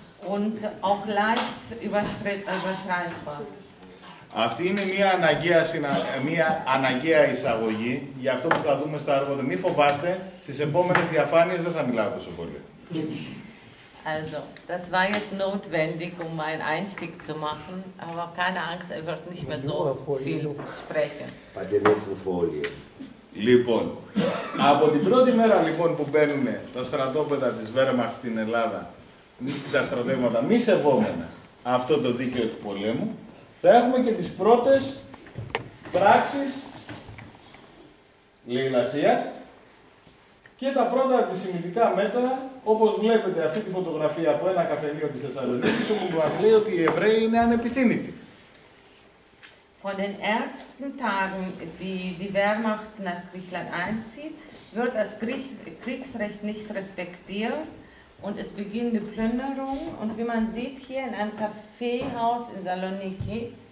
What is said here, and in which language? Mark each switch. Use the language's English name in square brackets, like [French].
[German] Und auch leicht überschreitbar. [Greek] Αυτή είναι μια αναγκαία εισαγωγή για αυτό που θα δούμε στα αργότερα. Μη φοβάστε, στις επόμενες διαφάνειες δεν θα μιλάω τόσο πολύ. [German] Also, das war jetzt notwendig, um einen Einstieg zu machen, aber keine Angst, er wird nicht mehr so viel sprechen. Bei der nächsten Folie. [Greek] Λοιπόν, από την πρώτη μέρα λοιπόν που μπαίνουν τα στρατόπεδα της Wehrmacht στην Ελλάδα, τα στρατεύματα μη σεβόμενα αυτό το δίκαιο του πολέμου, θα έχουμε και τις πρώτες πράξεις λιγνασίας και τα πρώτα αντισημιτικά μέτρα, όπως βλέπετε αυτή τη φωτογραφία από ένα καφενείο της Θεσσαλονίκης, όπου μας λέει ότι οι Εβραίοι είναι ανεπιθύμητοι. [German] Von den ersten Tagen, die Wehrmacht nach Griechenland einzieht, wird das Kriegsrecht nicht respektiert und es beginnt die Plünderung. Und wie man sieht hier in einem Kaffeehaus in Saloniki.